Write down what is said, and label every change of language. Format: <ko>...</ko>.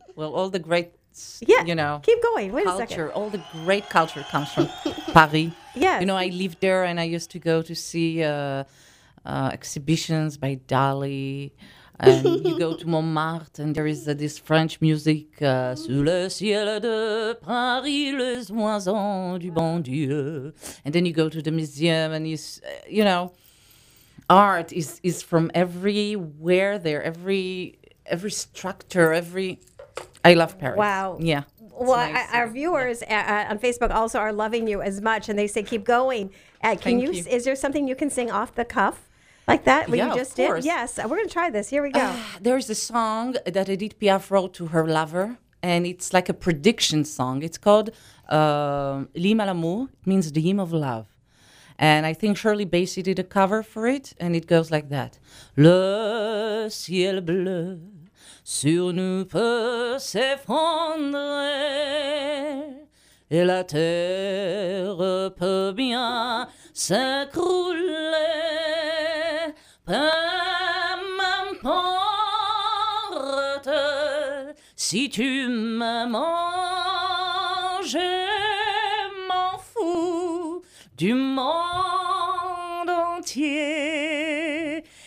<en>Well, all the great, you know. Keep going. Wait culture, a second. All the great culture comes from Paris. Yes. You know, I lived there and I used to go to see exhibitions by Dali. And you go to Montmartre, and there is this French music.</en> <fr>Sous le ciel de Paris, les oiseaux du bon Dieu.</fr> <en>And then you go to the museum, and you know, art is from everywhere there, every structure, every... I love Paris. Wow. Yeah. Well, nice. Our viewers on Facebook also are loving you as much, and they say, keep going. Thank you. Is there something you can sing off the cuff? Like that, what yeah, you just of course. Did? Yes, we're going to try this. Here we go. There's a song that Edith Piaf wrote to her lover, and it's like a prediction song. It's called</en> <fr>L'Hymne à l'amour.</fr> <en>It means the hymn of love. And I think Shirley Bassey did a cover for it, and it goes like that.</en> <fr>Le ciel bleu sur nous peut s'effondrer. Et la terre peut bien s'écrouler. Peu m'importe si tu m'aimes, je m'en fous du monde entier.</fr>